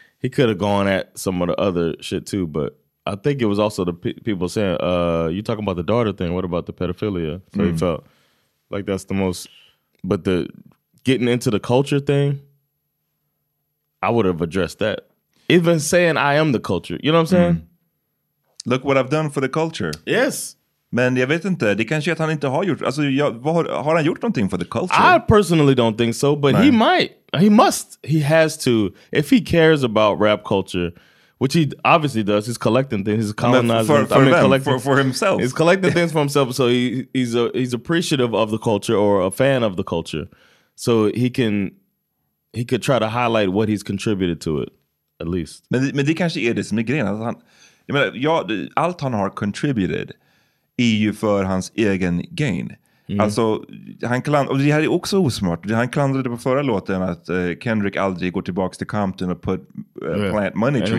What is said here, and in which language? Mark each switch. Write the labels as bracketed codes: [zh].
[en] He could have gone at some of the other shit too, but I think it was also the people saying, you talking about the daughter thing, what about the pedophilia? So he felt like that's the most, but the getting into the culture thing, I would have addressed that. Even saying I am the culture, you know what I'm saying? Mm. Look what I've done for the culture. Yes. [sv] Men jag vet inte, det kanske är att han inte har gjort... Alltså, har han gjort någonting [en] for the culture? I personally don't think so, but he might. He must. He has to. If he cares about rap culture, which he obviously does, he's collecting things, he's colonizing... For himself. He's collecting things for himself, so he's appreciative of the culture or a fan of the culture. So he could try to highlight what he's contributed to it, at least. [sv] Men det kanske är det som är grejen. Alltså, jag menar, allt han har contributed... är ju för hans egen gain. Mm. Alltså, och det här är också osmart. Han klandrade på förra låten att Kendrick aldrig går tillbaka till Compton och [en] plant money trees.